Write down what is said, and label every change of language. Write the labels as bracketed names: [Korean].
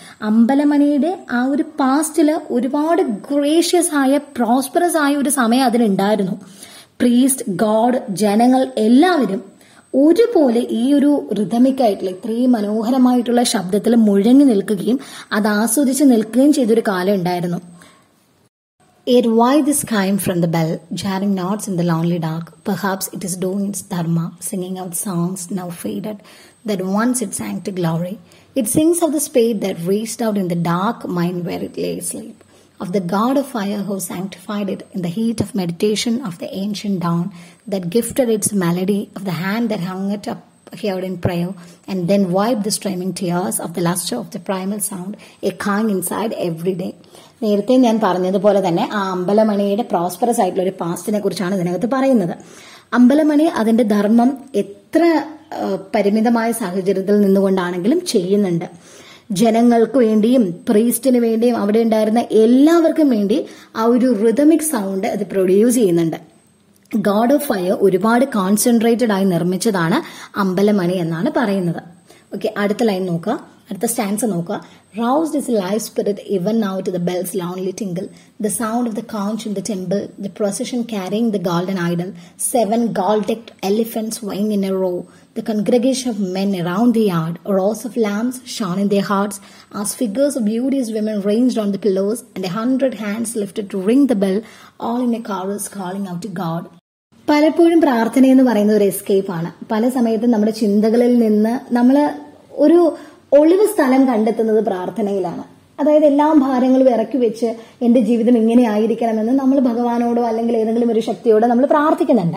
[Malayalam] അമ്പലമണിയുടെ ആ ഒരു പാസ്റ്റില് ഒരുപാട് ഗ്രേഷ്യസ് ആയ പ്രോസ്പെറസ് ആയ ഒരു സമയം അതിനുണ്ടായിരുന്നു. പ്രീസ്റ്റ്, ഗോഡ്, ജനങ്ങൾ എല്ലാവരും ഒരുപോലെ ഈ ഒരു റിഥമിക്കായിട്ടുള്ള ഇത്രയും മനോഹരമായിട്ടുള്ള ശബ്ദത്തിൽ മുഴങ്ങി നിൽക്കുകയും അത് ആസ്വദിച്ച് നിൽക്കുകയും ചെയ്തൊരു കാലം ഉണ്ടായിരുന്നു. [English] It why this came from the bell, jarring knots in the lonely dark. Perhaps it is doing its dharma, singing out songs now faded that once it sang to glory. It sings of the spade that reached out in the dark mind where it lay asleep, of the god of fire who sanctified it in the heat of meditation of the ancient dawn, that gifted its melody, of the hand that hung it up here in prayer and then wiped the streaming tears of the luster of the primal sound echoing inside every day. [Malayalam] നേരത്തെ ഞാൻ പറഞ്ഞതുപോലെ തന്നെ ആ അമ്പലമണിയുടെ prosperous ആയിട്ടുള്ള ഒരു പാസ്റ്റിനെ കുറിച്ചാണ് ഇതിനകത്ത് പറയുന്നത്. അമ്പലമണി അതിന്റെ ധർമ്മം എത്ര പരിമിതമായ സാഹചര്യത്തിൽ നിന്നുകൊണ്ടാണെങ്കിലും ചെയ്യുന്നുണ്ട്. ജനങ്ങൾക്ക് വേണ്ടിയും പ്രീസ്റ്റിന് വേണ്ടിയും അവിടെ ഉണ്ടായിരുന്ന എല്ലാവർക്കും വേണ്ടി ആ ഒരു റിതമിക് സൗണ്ട് അത് പ്രൊഡ്യൂസ് ചെയ്യുന്നുണ്ട്. ഗോഡ് ഓഫ് ഫയർ ഒരുപാട് കോൺസെൻട്രേറ്റഡ് ആയി നിർമ്മിച്ചതാണ് അമ്പലമണി എന്നാണ് പറയുന്നത്. ഓക്കെ, അടുത്ത ലൈൻ നോക്കാം. അടുത്ത സ്റ്റാൻസ് നോക്കുക. [English] Roused is the life spirit even now to the bell's lonely tingle, the sound of the conch in the temple, the procession carrying the golden idol, seven gold-decked elephants weighing in a row, the congregation of men around the yard, rows of lamps shone in their hearts, as figures of beauteous women ranged on the pillows, and 100 hands lifted to ring the bell, all in a chorus calling out to God. [Malayalam] പലപ്പോഴും പ്രാർത്ഥന എന്ന് പറയുന്ന ഒരു escape ആണ്. പല സമയത്തും നമ്മുടെ ചിന്തകളിൽ നിന്ന് നമ്മൾ ഒരു ഒളിവ് സ്ഥലം കണ്ടെത്തുന്നത് പ്രാർത്ഥനയിലാണ്. അതായത് എല്ലാം ഭാരങ്ങളും ഇറക്കി വെച്ച് എന്റെ ജീവിതം ഇങ്ങനെയായിരിക്കണമെന്ന് നമ്മൾ ഭഗവാനോടോ അല്ലെങ്കിൽ ഏതെങ്കിലും ഒരു ശക്തിയോടോ നമ്മൾ പ്രാർത്ഥിക്കുന്നുണ്ട്.